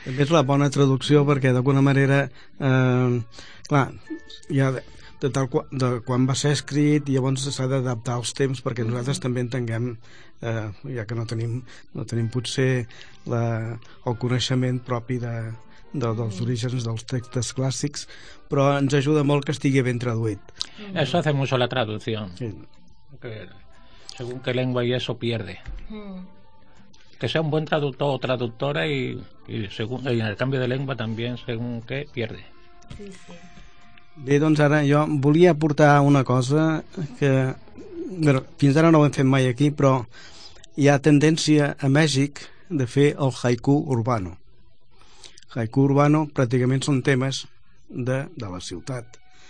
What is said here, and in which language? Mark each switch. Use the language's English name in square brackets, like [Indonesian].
[Catalan] També és la bona traducció, perquè d'alguna manera, clar, ja de quan va ser escrit, i llavors s'ha d'adaptar als temps, perquè nosaltres també entenguem, ja que no tenim potser el coneixement propi dels orígens dels textos clàssics, però ens ajuda molt que estigui ben traduït. [Spanish] Eso hace mucho la traducción. Sí. Que, según qué lengua y eso pierde. Que sea un buen traductor o traductora y en el cambio de lengua también, según qué, pierde. Sí, sí. [Catalan] Bé, doncs ara jo volia aportar una cosa que, bueno, fins ara no ho hem fet mai aquí, però hi ha tendència a Mèxic de fer el haiku urbano. Haiku urbano pràcticament són temes de la ciutat.